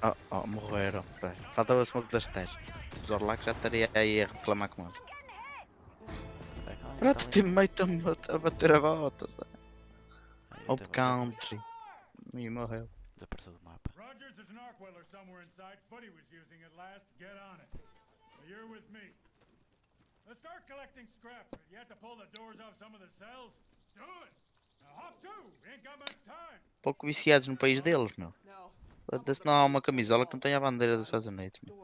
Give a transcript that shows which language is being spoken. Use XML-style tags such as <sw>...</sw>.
<pt>Oh, morreram. Falta uma smoke das stairs. O Zorlak já estaria aí a reclamar com ele. Pronto, o teammate a bater a bota. Up country. E morreu. Desapareceu do mapa. Rogers, há um Arkweiler em algum lugar. Fuddy estava usando ele antes.</pt> <en>Get on it.</en> <pt>Você está comigo.</pt> <en>Let's start collecting scrap. You have to pull the doors off some of the cells. Do it. Now hop to. We ain't got much time.</en> <pt>Pouco viciados no país deles, meu. Não. Se não há uma camisola que não tenha a bandeira dos Estados Unidos.</pt>